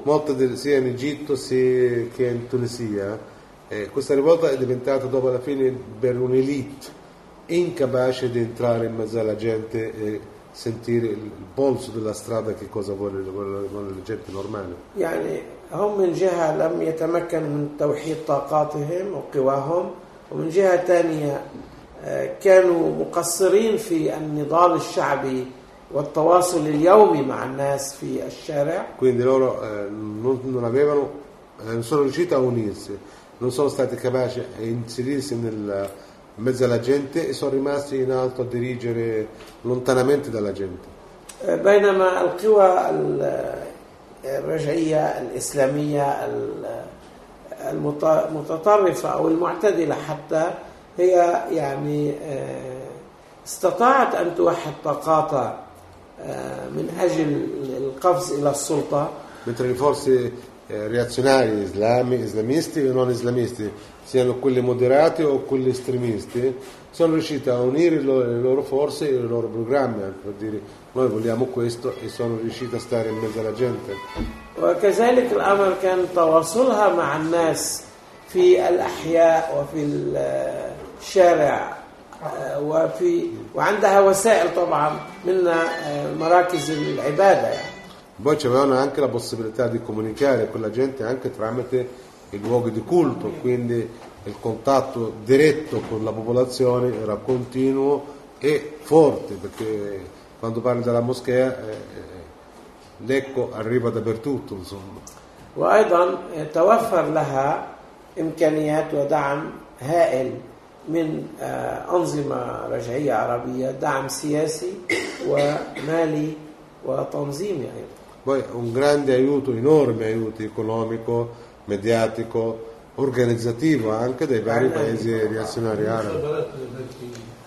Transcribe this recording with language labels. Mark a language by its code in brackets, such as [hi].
[it] Molte sia in Egitto che in Tunisia questa rivolta è diventata dopo la fine per un'elite incapace di entrare in mezzo alla gente e sentire il polso della strada, che cosa vuole la gente normale. [ar] يعني هم من جهة لم يتمكن من توحيد طاقاتهم وقواهم ومن جهة تانية كانوا مقصرين في النضال الشعبي والتواصل اليومي مع الناس في الشارع. [it] Quindi loro non avevano, non sono riusciti a unirsi, non sono stati capaci a inserirsi nel mezzo alla gente e sono rimasti in alto a dirigere lontanamente dalla gente. [ar] بينما القوى الرجعية الإسلامية المتطرفة أو المعتدلة حتى هي يعني استطاعت أن توحد طاقاتها من أجل القفز إلى السلطة. [it] Mentre le forze reazionarie islamisti o non islamisti, siano quelli moderati o quelli estremisti, sono riusciti a unire le loro forze e i loro programmi, per dire noi vogliamo questo, e sono riusciti a stare in mezzo alla gente. [ar] وكذلك الأمر كان تواصلها مع الناس في الأحياء وفي الشارع وفي وعندها وسائل طبعا من مراكز العبادة. [it] Poi c'avevano anche la possibilità di comunicare con la gente anche tramite i luoghi di culto, quindi il contatto diretto con la popolazione era continuo e forte, perché quando parli della moschea l'eco arriva dappertutto, insomma. [ar] وأيضا توفر لها إمكانيات ودعم هائل من أنظمة رجعية عربية, دعم سياسي ومالي وتنظيمي أيضا. [it] Poi un grande aiuto, enorme aiuto economico, mediatico, organizzativo anche dai vari paesi reazionari arabi.